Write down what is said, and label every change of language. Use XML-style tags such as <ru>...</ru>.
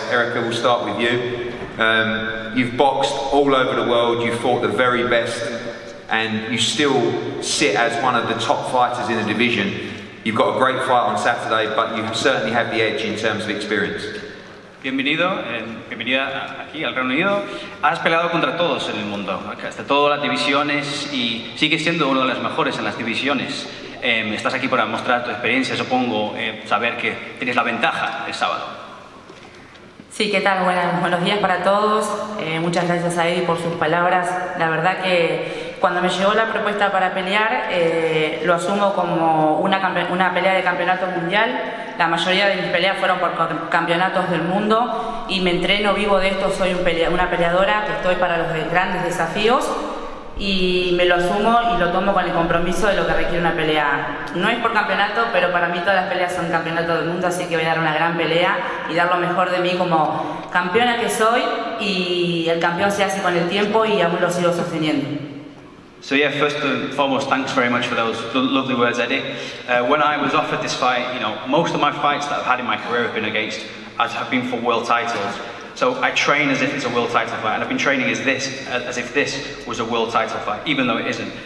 <en>Erica, we'll start with you. You've boxed all over the world, you've fought the very best, and you still sit as one of the top fighters in the division. You've got a great fight on Saturday, but you certainly have the edge in terms of experience.</en> <es>Bienvenido, bienvenida aquí al Reino Unido. Has peleado contra todos en el mundo, hasta todas las divisiones, y sigues siendo uno de los mejores en las divisiones. Estás aquí para mostrar tu experiencia, supongo, saber que tienes la ventaja el sábado. Sí, ¿qué tal? Buenos días para todos. Muchas gracias a Eddie por sus palabras. La verdad que cuando me llegó la propuesta para pelear, lo asumo como una pelea de campeonato mundial. La mayoría de mis peleas fueron por campeonatos del mundo y me entreno, vivo de esto, soy una peleadora que estoy para los grandes desafíos y me lo asumo y lo tomo con el compromiso de lo que requiere una pelea. No es por campeonato, pero para mí todas las peleas son campeonato del mundo, así que voy a dar una gran pelea y dar lo mejor de mí como campeona que soy, y el campeón se hace con el tiempo y aún lo sigo sosteniendo.</es> <en>So yeah, first and foremost, thanks very much for those lovely words, Eddie. When I was offered this fight, you know, most of my fights that I've had in my career have been against, have been for world titles. So I train as if it's a world title fight, and I've been training as if this was a world title fight, even though it isn't.</en>